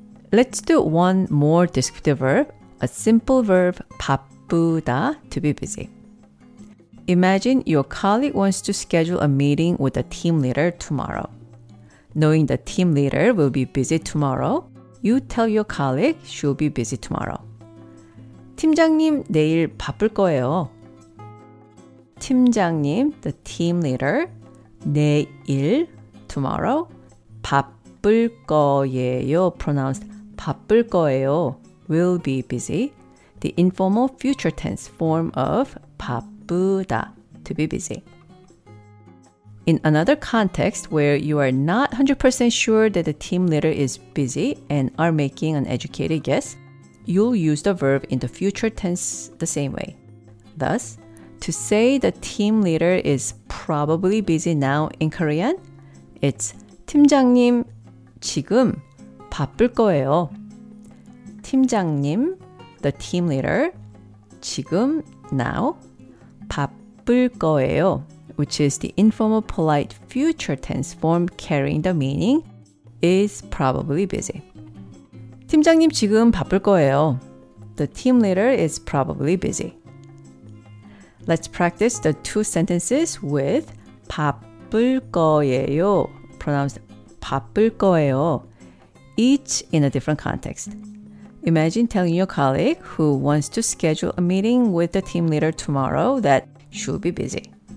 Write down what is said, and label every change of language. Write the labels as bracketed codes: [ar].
[en] Let's do one more descriptive verb, a simple verb 바쁘다, to be busy. Imagine your colleague wants to schedule a meeting with a team leader tomorrow. Knowing the team leader will be busy tomorrow, you tell your colleague she'll be busy tomorrow. [ko] 팀장님 내일 바쁠 거예요. [en] 팀장님, the team leader, 내일, tomorrow, 바쁠 거예요, pronounced 바쁠 거예요, will be busy, the informal future tense form of 바쁘다, to be busy. In another context where you are not 100% sure that the team leader is busy and are making an educated guess, you'll use the verb in the future tense the same way. Thus, to say the team leader is probably busy now in Korean, it's [ko] 팀장님 지금 바쁠 거예요. [en] 팀장님, the team leader, 지금, now, 바쁠 거예요, which is the informal polite future tense form carrying the meaning, is probably busy. [ko] 팀장님 지금 바쁠 거예요. [en] The team leader is probably busy. Let's practice the two sentences with 바쁠 거예요, pronounced 바쁠 거예요, each in a different context. Imagine telling your colleague who wants to schedule a meeting with the team leader tomorrow that she'll be busy.